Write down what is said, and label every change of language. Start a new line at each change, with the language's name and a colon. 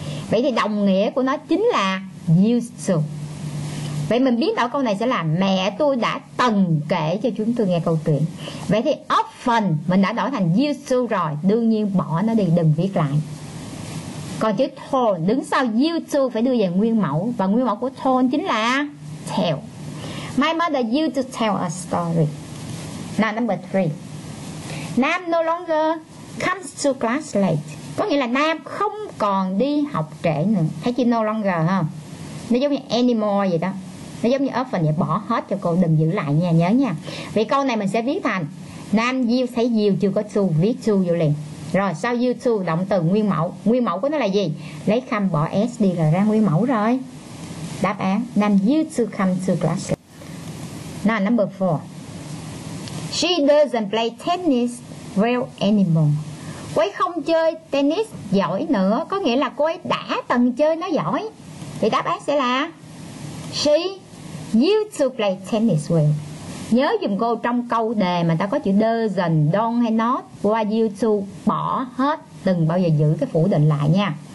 Vietnamese: Vậy thì đồng nghĩa của nó chính là used to. Vậy mình biến đổi câu này sẽ là mẹ tôi đã từng kể cho chúng tôi nghe câu chuyện. Vậy thì often mình đã đổi thành used to rồi, đương nhiên bỏ nó đi, đừng viết lại. Còn chữ told đứng sau used to phải đưa về nguyên mẫu, và nguyên mẫu của told chính là tell.
English: My mother used to tell a story. Now number 3. Nam no longer comes to class late.
Vietnamese: Có nghĩa là Nam không còn đi học trễ nữa. Thấy chữ no longer ha? Nó giống như anymore vậy đó. Nó giống như often vậy, bỏ hết cho cô, đừng giữ lại nha, nhớ nha. Vì câu này mình sẽ viết thành Nam used, thấy used chưa có to, viết to vô liền. Rồi sau you to động từ nguyên mẫu. Nguyên mẫu của nó là gì? Lấy come bỏ s đi là ra nguyên mẫu rồi. Đáp án
English: Nam used to come to class. Now number 4. She doesn't play tennis well anymore.
Vietnamese: Cô ấy không chơi tennis giỏi nữa. Có nghĩa là cô ấy đã từng chơi nó giỏi. Thì đáp án sẽ là
English: she used to play tennis well.
Vietnamese: Nhớ giùm cô trong câu đề mà ta có chữ doesn't, don't hay not, qua you to bỏ hết, đừng bao giờ giữ cái phủ định lại nha.